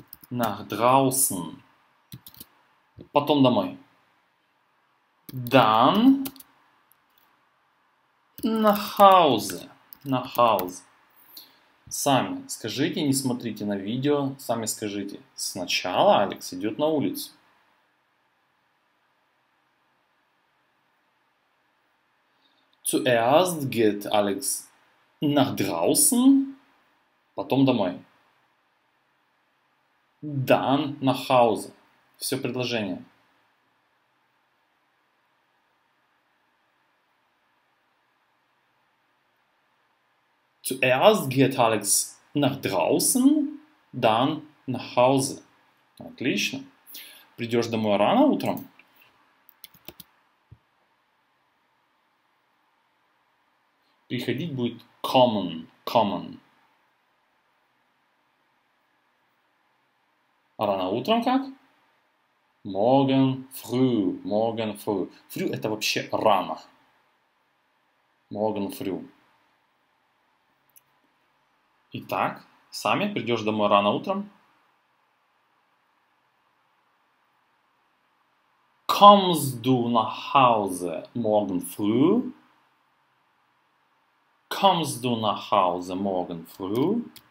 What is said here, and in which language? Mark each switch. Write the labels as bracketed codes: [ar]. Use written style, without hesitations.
[de] Nach draußen. [ru] Потом домой. [de] Dann. Nach Hause. Nach Hause. [ru] Сами скажите, не смотрите на видео. Сами скажите. Сначала Alex идет на улицу. [de] Zuerst geht Alex nach draußen, [ru] потом домой. [de] Dann nach Hause. [ru] Все предложение. [de] Zuerst geht Alex nach draußen, dann nach Hause. [ru] Отлично. Придешь домой рано утром? Приходить будет common, common. А рано утром как? [de] Morgen früh, morgen früh. [ru] Früh это вообще рано. [de] Morgen früh. [ru] Итак, сами придешь домой рано утром? [de] Kommst du nach Hause morgen früh? Kommst du nach Hause morgen früh?